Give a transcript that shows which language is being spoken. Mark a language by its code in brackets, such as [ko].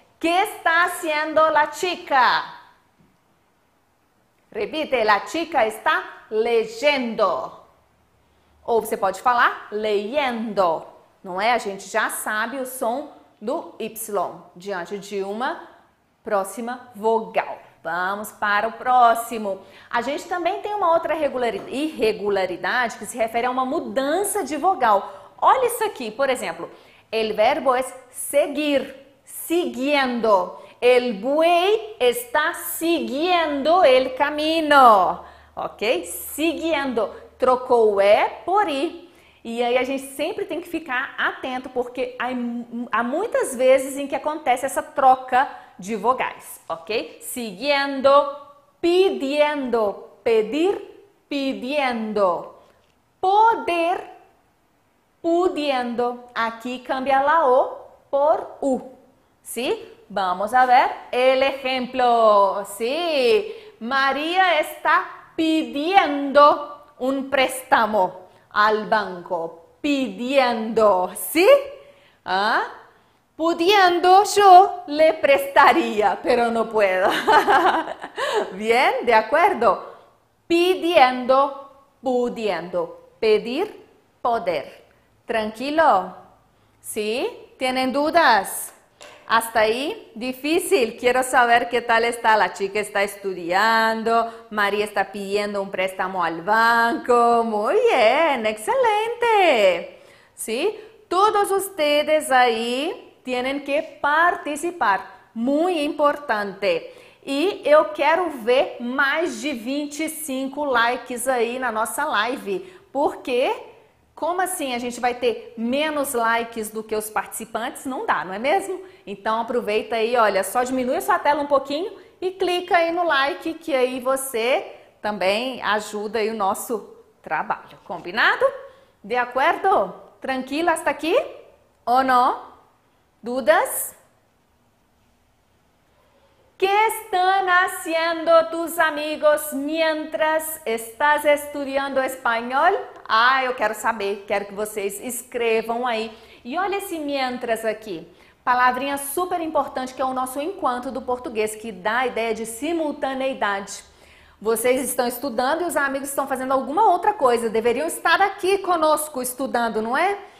[es] ¿Qué está haciendo la chica? Repite, la chica está leyendo. [pt] Ou você pode falar leyendo. Não é? A gente já sabe o som do Y diante de uma próxima vogal. Vamos para o próximo. A gente também tem uma outra irregularidade que se refere a uma mudança de vogal. Olha isso aqui, por exemplo. [es] El verbo es seguir, siguiendo. El buey está siguiendo el camino. [pt] Ok? Siguiendo. Trocou o E por I. E aí a gente sempre tem que ficar atento, porque há muitas vezes em que acontece essa troca de vogais, ok? [es] Siguiendo, pidiendo, pedir, pidiendo. Poder, pudiendo. Aqui cambia la O por U, sí? Vamos a ver el ejemplo, sí. María está pidiendo un préstamo al banco, pidiendo, ¿sí? ¿Ah? Pudiendo yo le prestaría, pero no puedo. Bien, de acuerdo. Pidiendo, pudiendo. Pedir, poder. Tranquilo. ¿Sí? ¿Tienen dudas? Hasta ahí, difícil. Quiero saber qué tal está. La chica está estudiando, María está pidiendo un préstamo al banco. Muy bien, excelente. ¿Sí? Todos ustedes ahí tienen que participar. Muy importante. [pt] E eu quero ver mais de 25 likes aí na nossa live. Porque, como assim a gente vai ter menos likes do que os participantes? Não dá, não é mesmo? Então aproveita aí, olha, só diminui a sua tela um pouquinho e clica aí no like, que aí você também ajuda aí o nosso trabalho. Combinado? De acordo? Tranquila hasta aqui? Ou não? Dudas? [es] ¿Qué están haciendo tus amigos mientras estás estudiando español? [pt] Ah, eu quero saber, quero que vocês escrevam aí. E olha esse mientras aqui, palavrinha super importante que é o nosso enquanto do português, que dá a ideia de simultaneidade. Vocês estão estudando e os amigos estão fazendo alguma outra coisa, deveriam estar aqui conosco estudando, não é?